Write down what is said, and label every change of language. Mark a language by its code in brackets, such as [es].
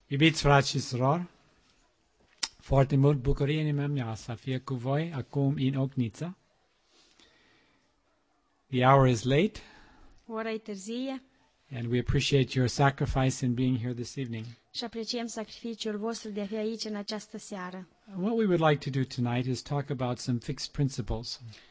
[ro] Iubiți frați și surori, foarte mult bucurie în inima mea să fie cu voi acum în Ochnița. [en] The hour is late. [ro] Ora e târzie. [en] And we appreciate your sacrifice in being here this evening. [ro] Și apreciem sacrificiul vostru de a fi aici în această seară. [en] What we would like to do tonight is talk about some fixed principles.